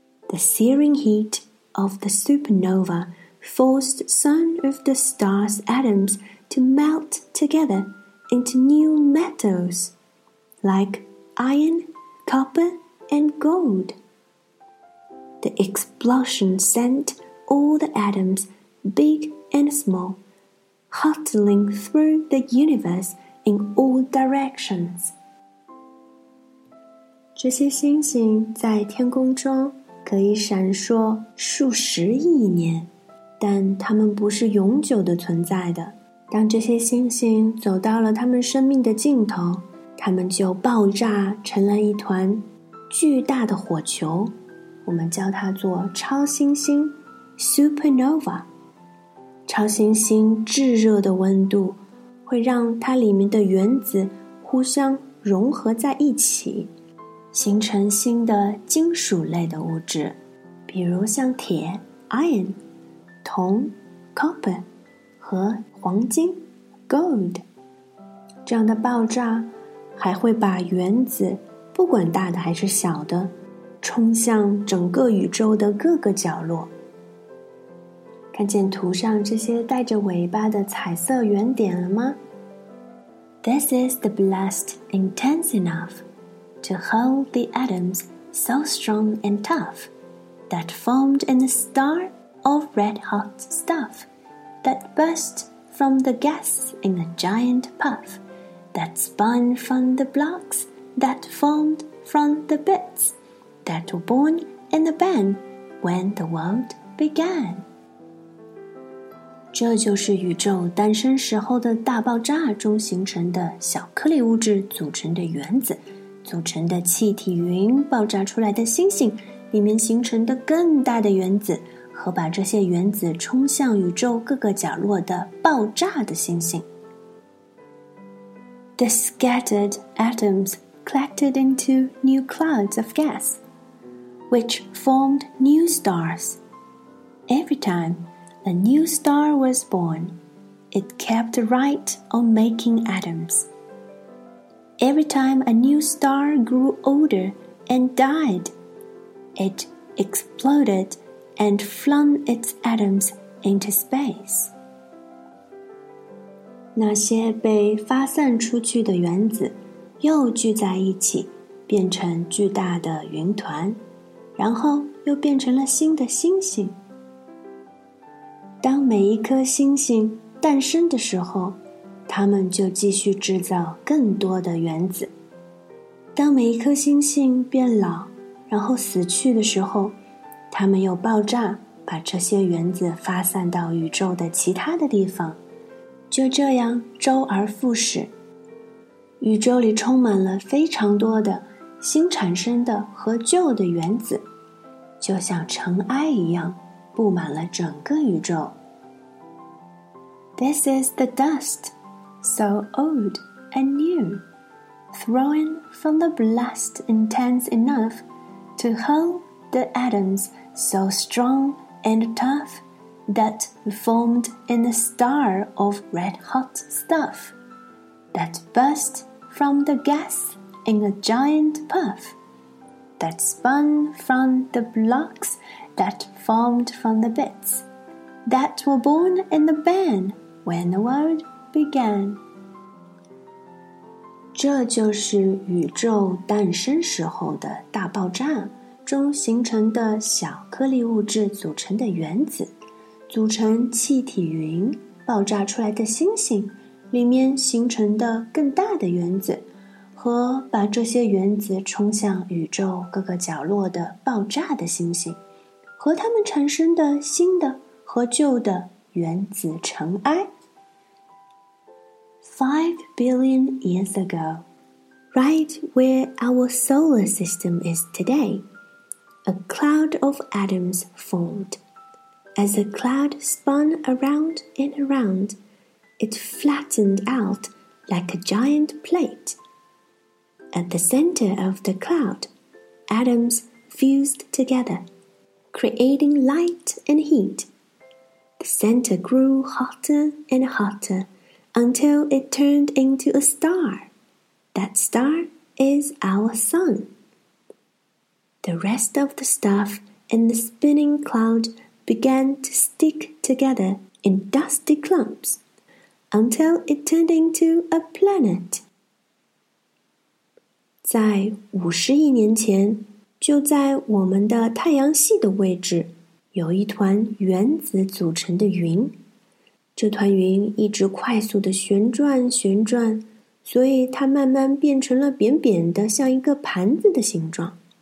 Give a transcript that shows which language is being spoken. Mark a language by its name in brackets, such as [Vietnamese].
[English] The searing heat of the supernova forced some of the star's atoms to melt together into new metals, like iron, copper, and gold. The explosion sent all the atoms, big and small,Hurtling through the universe in all directions. [Chinese] 这些星星在天空中可以闪烁数十亿年，但它们不是永久的存在的。当这些星星走到了它们生命的尽头，它们就爆炸成了一团巨大的火球，我们叫它做超新星 ,supernova. 超新星炙热的温度会让它里面的原子互相融合在一起，形成新的金属类的物质，比如像铁 iron, 铜 copper, 和黄金 gold。这样的爆炸还会把原子，不管大的还是小的，冲向整个宇宙的各个角落。看见图上这些带着尾巴的彩色圆点了吗？ [English] This is the blast intense enough to hold the atoms so strong and tough that formed in a star of red hot stuff that burst from the gas in a giant puff that spun from the blocks that formed from the bits that were born in the band when the world began. [Chinese] 这就是宇宙诞生时候的大爆炸中形成的小颗粒物质组成的原子，组成的气体云爆炸出来的星星，里面形成的更大的原子，和把这些原子冲向宇宙各个角落的爆炸的星星。 [English] The scattered atoms collected into new clouds of gas, which formed new stars. Every time,A new star was born. It kept right on making atoms. Every time a new star grew older and died, it exploded and flung its atoms into space. [Chinese] 那些被发散出去的原子又聚在一起，变成巨大的云团，然后又变成了新的星星。当每一颗星星诞生的时候，它们就继续制造更多的原子。当每一颗星星变老，然后死去的时候，它们又爆炸，把这些原子发散到宇宙的其他的地方，就这样周而复始。宇宙里充满了非常多的新产生的和旧的原子，就像尘埃一样布满了整个宇宙。 [English] This is the dust, so old and new, thrown from the blast intense enough to hold the atoms so strong and tough that formed in a star of red hot stuff that burst from the gas in a giant puff that spun from the blocksThat formed from the bits that were born in the ban when the world began. [Chinese] 这就是宇宙诞生时候的大爆炸中形成的小颗粒物质组成的原子，组成气体云，爆炸出来的星星里面形成的更大的原子，和把这些原子冲向宇宙各个角落的爆炸的星星。和它们产生的新的和旧的原子尘埃。 [English] 5 billion years ago, right where our solar system is today, a cloud of atoms formed. As a cloud spun around and around, it flattened out like a giant plate. At the center of the cloud, atoms fused together. Creating light and heat. The center grew hotter and hotter until it turned into a star. That star is our sun. The rest of the stuff in the spinning cloud began to stick together in dusty clumps until it turned into a planet. [Chinese] 在50亿年前，就在我们的太阳系的位置，有一团原子组成的云。这团云一直快速地旋转旋转，所以它慢慢变成了扁扁的，像一个盘子的形状。